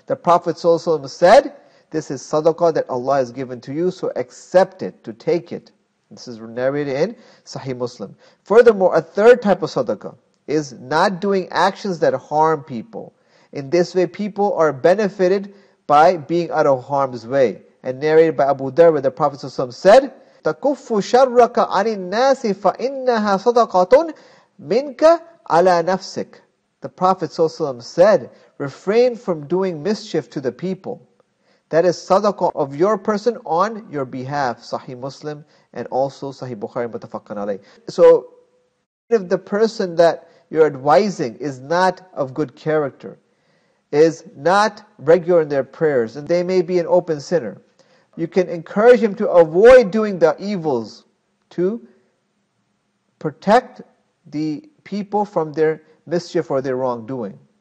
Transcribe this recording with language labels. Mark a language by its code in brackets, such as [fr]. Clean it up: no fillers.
[en] The Prophet sallallahu alaihi wasallam said, this is sadaqah that Allah has given to you, so accept it, to take it. This is narrated in Sahih Muslim. Furthermore, a third type of sadaqah is not doing actions that harm people. In this way, people are benefited by being out of harm's way. And narrated by Abu Dharr, the Prophet ﷺ said, [ar] تَكُفُّ شَرَّكَ عَنِ النَّاسِ فَإِنَّهَا صَدَقَةٌ مِنْكَ عَلَى نَفْسِكَ. [en] The Prophet ﷺ said, refrain from doing mischief to the people. That is sadaqah of your person on your behalf. Sahih Muslim and also Sahih Bukhari Mutafaqqan Alayh. So, if the person that you're advising is not of good character, is not regular in their prayers, and they may be an open sinner, you can encourage him to avoid doing the evils to protect the people from their mischief or their wrongdoing.